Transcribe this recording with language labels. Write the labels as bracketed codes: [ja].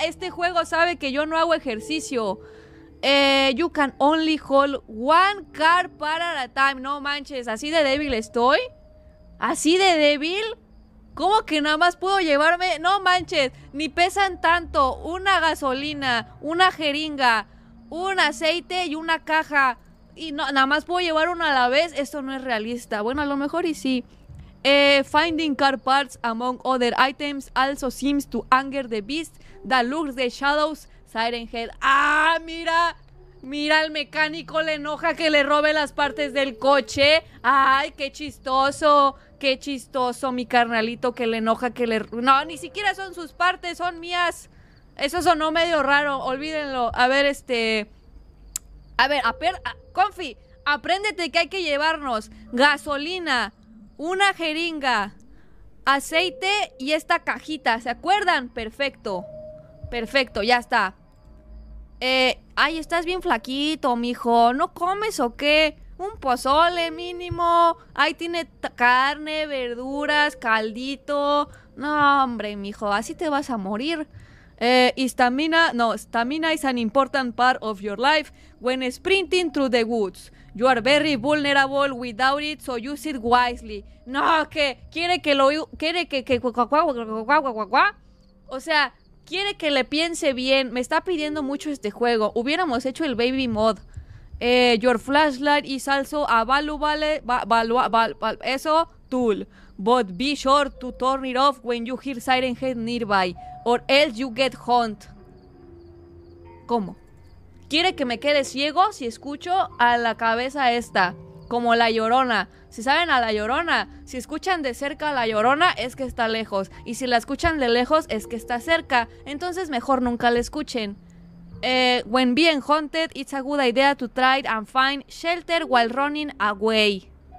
[es] Este juego sabe que yo no hago ejercicio. [en] You can only hold one car part at a time. [es] No manches, así de débil estoy. ¿Así de débil? ¿Cómo que nada más puedo llevarme? No manches, ni pesan tanto. Una gasolina, una jeringa, un aceite y una caja. Y no, nada más puedo llevar una a la vez. Esto no es realista. Bueno, a lo mejor y sí. [en] Finding car parts among other items also seems to anger the beast that lurks the shadows. [es] Siren Head. ¡Ah, mira! Mira, al mecánico le enoja que le robe las partes del coche. ¡Ay, qué chistoso! ¡Qué chistoso, mi carnalito, que le enoja que le... No, ni siquiera son sus partes, son mías. Eso sonó medio raro, olvídenlo. A ver, A ver, Confi, apréndete que hay que llevarnos gasolina, una jeringa, aceite y esta cajita. ¿Se acuerdan? Perfecto. Perfecto, ya está. Ay, estás bien flaquito, mijo. ¿No comes o qué? Un pozole mínimo. Ahí tiene carne, verduras, caldito. No, hombre, mijo, así te vas a morir. [en] Stamina is an important part of your life when sprinting through the woods. You are very vulnerable without it, so use it wisely. [es] No, ¿qué? O sea... Quiere que le piense bien. Me está pidiendo mucho este juego. Hubiéramos hecho el baby mod. [en] Your flashlight is also a valuable... [es] Eso, tool. [en] But be sure to turn it off when you hear siren head nearby. Or else you get haunt. [es] ¿Cómo? Quiere que me quede ciego si escucho a la cabeza esta. Como la llorona. Si saben a la llorona, si escuchan de cerca a la llorona, es que está lejos. Y si la escuchan de lejos, es que está cerca. Entonces mejor nunca la escuchen. [en] When being haunted, it's a good idea to try and find shelter while running away.